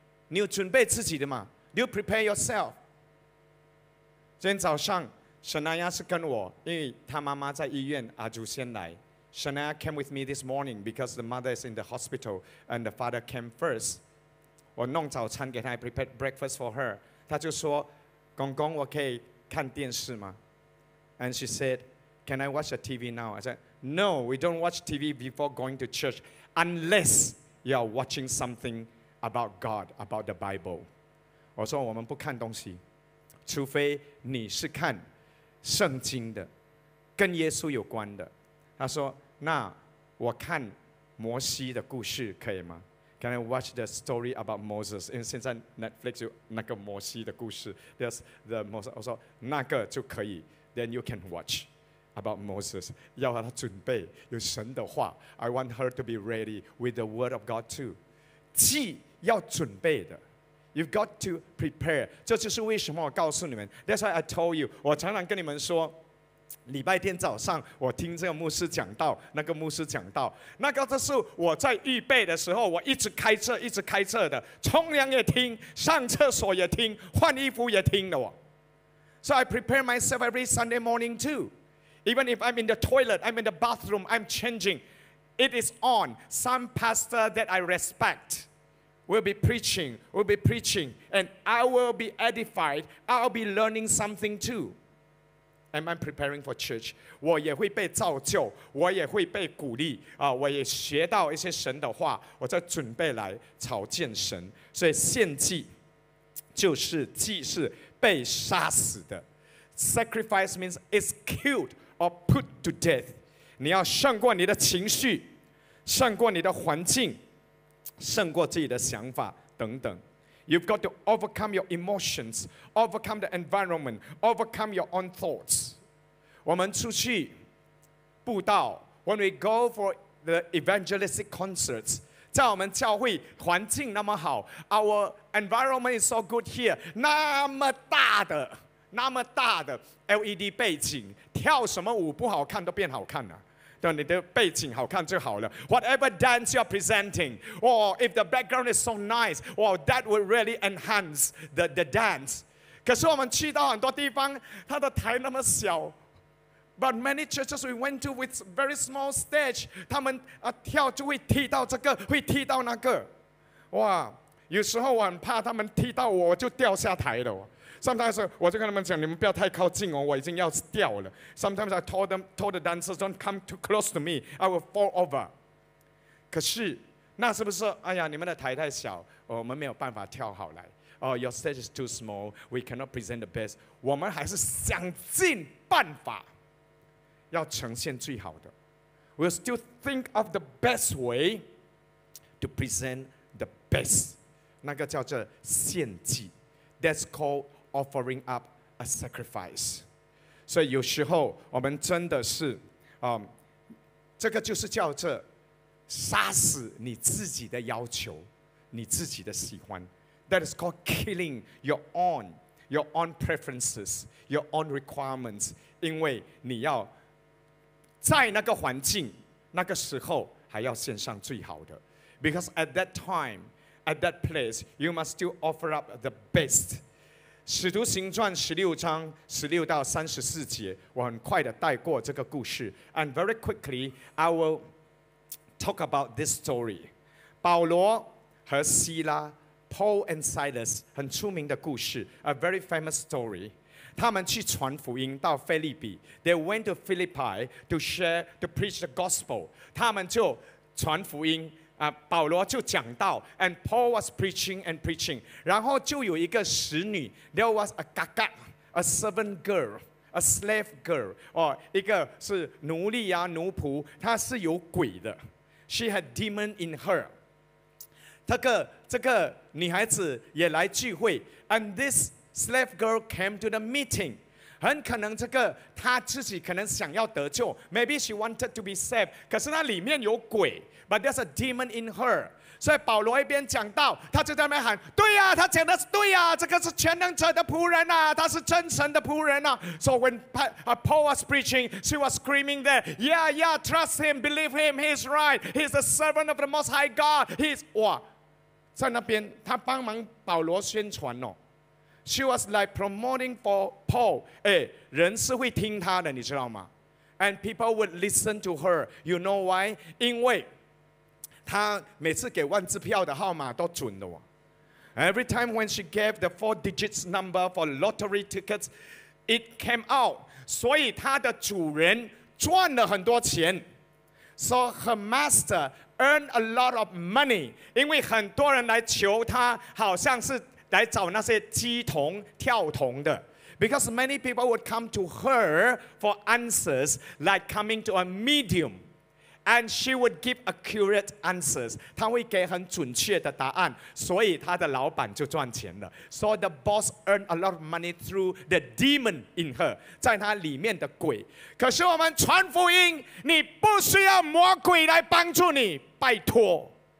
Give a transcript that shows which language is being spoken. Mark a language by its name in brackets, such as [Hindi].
[Chinese] 你有准备自己的吗？ [English] Do you prepare yourself? [Chinese] 今天早上 Shania 是跟我，因为她妈妈在医院，阿祖先来。 [English] Shania came with me this morning because the mother is in the hospital and the father came first. [Chinese] 我弄早餐给她， [English] I prepared breakfast for her. [Chinese] 她就说，公公，我可以看电视吗？ [English] And she said, can I watch the TV now? I said, no, we don't watch TV before going to church unless you are watching something about God, about the Bible. [Chinese] 我说我们不看东西，除非你是看圣经的，跟耶稣有关的。他说，那我看摩西的故事可以吗？ [English] Can I watch the story about Moses? [Chinese] 因为现在 Netflix 有那个摩西的故事， [English] There's the Moses. [Chinese] 我说那个就可以， [English] Then you can watch about Moses. [Chinese] 要他准备有神的话， [English] I want her to be ready with the word of God too. [Chinese] 既要准备的， [English] You've got to prepare. [Chinese] 这就是为什么我告诉你们。 [English] That's why I told you. [Chinese] 我常常跟你们说，礼拜天早上我听这个牧师讲道，那个牧师讲道，那个就是我在预备的时候，我一直开车，一直开车的，冲凉也听，上厕所也听，换衣服也听的我。 [English] So I prepare myself every Sunday morning too. Even if I'm in the toilet, I'm in the bathroom, I'm changing. It is on. Some pastor that I respect. We'll be preaching, and I will be edified. I'll be learning something too. Am I preparing for church? [Chinese] 我也会被造就，我也会被鼓励，我也学到一些神的话，我在准备来朝见神。所以献祭就是祭是被杀死的。 [English] Sacrifice means it's killed or put to death. [Chinese] 你要胜过你的情绪，胜过你的环境，胜过自己的想法等等。 [English] You've got to overcome your emotions, overcome the environment, overcome your own thoughts. [Chinese] 我们出去布道， [English] When we go for the evangelistic concerts, [Chinese] 在我们教会环境那么好， [English] Our environment is so good here, [Chinese] 那么大的 LED 背景，跳什么舞不好看都变好看了，对，你的背景好看就好了。 [English] Whatever dance you're presenting, or if the background is so nice, well, that will really enhance the dance. [Chinese] 可是我们去到很多地方，它的台那么小。 [English] But many churches we went to with very small stage, [Chinese] 他们跳就会踢到这个，会踢到那个。哇，有时候我很怕他们踢到我，我就掉下台了。 Sometimes 我就跟他们讲，你们不要太靠近我，我已经要掉了。 [English] Sometimes I told the dancers, don't come too close to me, I will fall over. [Chinese] 可是那是不是？哎呀，你们的台太小，我们没有办法跳好来。 [English] Oh, your stage is too small, we cannot present the best. [Chinese] 我们还是想尽办法要呈现最好的。 [English] We'll still think of the best way to present the best. [Chinese] 那个叫做献祭。 [English] That's called offering up a sacrifice. [Chinese] 所以有时候我们真的是，这个就是叫做杀死你自己的要求，你自己的喜欢。 [English] That is called killing your own preferences, your own requirements. [Chinese] 因为你要在那个环境，那个时候还要献上最好的。 [English] Because at that time, at that place, you must still offer up the best. [Chinese] 使徒行传十六章十六到三十四节，我很快的带过这个故事。 [English] And very quickly, I will talk about this story. 保罗和希拉 ，Paul and Silas， [Chinese] 很出名的故事 [English] ，a very famous story. [Chinese] 他们去传福音到腓立比。 [English] They went to Philippi to share, to preach the gospel. [Chinese] 他们就传福音，保罗就讲道 ， [English] and Paul was preaching and preaching. [Chinese] 然后就有一个使女 [English] ，there was a gaga, a servant girl, a slave girl. [Chinese] 哦，一个是奴隶呀、奴仆，她是有鬼的。 [English] She had demon in her. [Chinese] 这个女孩子也来聚会 [English] ，and this slave girl came to the meeting. [Chinese] 很可能这个她自己可能想要得救 ， [English] maybe she wanted to be saved. [Chinese] 可是她里面有鬼。 [English] But there's a demon in her. [Chinese] 所以保罗一边讲道，他就在那边喊：“对呀、啊，他讲的是对呀、啊，这个是全能者的仆人啊，他是真神的仆人啊。” [English] So when Paul was preaching, she was screaming there, "Yeah, yeah, trust him, believe him, he's right. He's the servant of the Most High God. [Chinese] He's 哇，在那边他帮忙保罗宣传哦。 [English] She was like promoting for Paul. [Chinese] 哎，人是会听他的，你知道吗 [English] ？And people would listen to her. You know why? [Chinese] 因为他每次给万字票的号码都准的哦。 [English] Every time when she gave the four digits number for lottery tickets, it came out. [Chinese] 所以他的主人赚了很多钱。 [English] So her master earned a lot of money. [Chinese] 因为很多人来求他，好像是来找那些鸡童、跳童的。 [English] Because many people would come to her for answers, like coming to a medium. And she would give accurate answers. [Chinese] 她会给很准确的答案，所以她的老板就赚钱了。 [English] So the boss earned a lot of money through the demon in her, [Chinese] 在她里面的鬼。可是我们传福音，你不需要魔鬼来帮助你，拜托。